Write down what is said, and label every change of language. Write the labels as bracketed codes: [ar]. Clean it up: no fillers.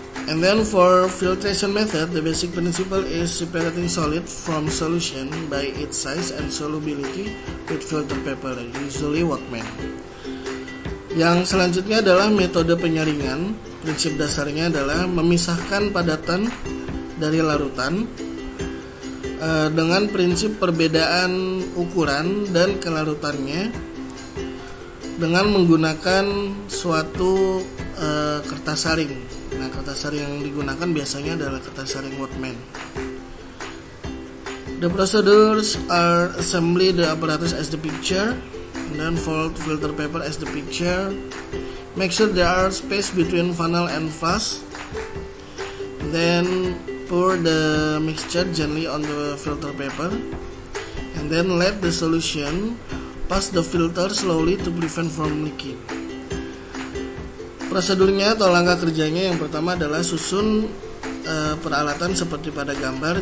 [en] And then for filtration method, the basic principle is separating solid from solution by its size and solubility with filter paper, usually Wattman. [id] Yang selanjutnya adalah metode penyaringan. Prinsip dasarnya adalah memisahkan padatan dari larutan dengan prinsip perbedaan ukuran dan kelarutannya dengan menggunakan suatu kertas saring. Nah, kertas sar yang digunakan biasanya adalah kertas sar yang Whatman. [en] The procedures are assembly the apparatus as the picture, and then fold filter paper as the picture. Make sure there are space between funnel and flask. Then pour the mixture gently on the filter paper, and then let the solution pass the filter slowly to prevent from leaking. [id] Prosedurnya atau langkah kerjanya yang pertama adalah susun peralatan seperti pada gambar.